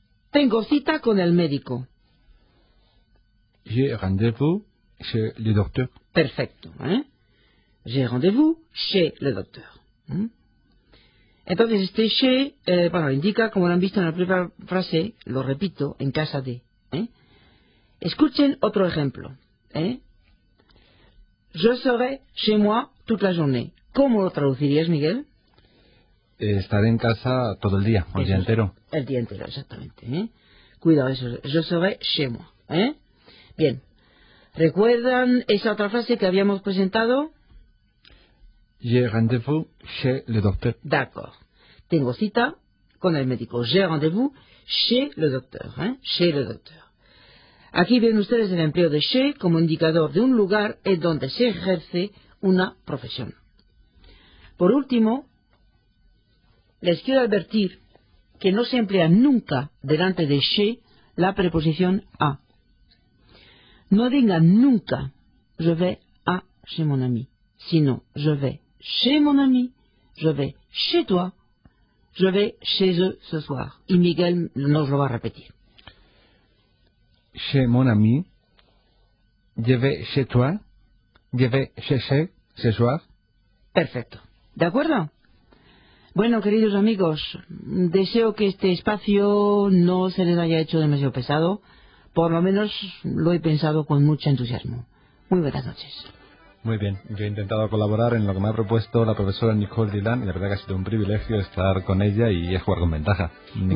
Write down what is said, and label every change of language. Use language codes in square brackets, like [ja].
[es] Tengo cita con el médico. [fr] J'ai rendez-vous chez le docteur. [es] Perfecto. [fr] J'ai rendez-vous chez le docteur. [es] Entonces, este chez, bueno, indica, como lo han visto en la primera frase, lo repito, en casa de. Escuchen otro ejemplo. [fr] Je serai chez moi toute la journée. [es] ¿Cómo lo traducirías, Miguel? Estaré en casa todo el día, el día entero. El día entero, exactamente. Cuidado, eso. [fr] Je serai chez moi. [es] Bien. ¿Recuerdan esa otra frase que habíamos presentado? [fr] J'ai rendez-vous chez le docteur. D'accord. [es] Tengo cita con el médico. [fr] J'ai rendez-vous chez le docteur. Chez le docteur. [es] Aquí ven ustedes el empleo de chez como indicador de un lugar en donde se ejerce una profesión. Por último, les quiero advertir que no se emplea nunca delante de chez la preposición a. No digan nunca [fr] je vais à chez mon ami, [es] sino [fr] je vais chez mon ami, je vais chez toi, je vais chez eux ce soir. [es] Y Miguel nos lo va a repetir. [fr] Chez mon ami, je vais chez toi, je vais chez ce soir. [es] Perfecto. ¿De acuerdo? Bueno, queridos amigos, deseo que este espacio no se les haya hecho demasiado pesado. Por lo menos lo he pensado con mucho entusiasmo. Muy buenas noches. Muy bien. Yo he intentado colaborar en lo que me ha propuesto la profesora Nicole Dylan y la verdad que ha sido un privilegio estar con ella y jugar con ventaja. Nicole.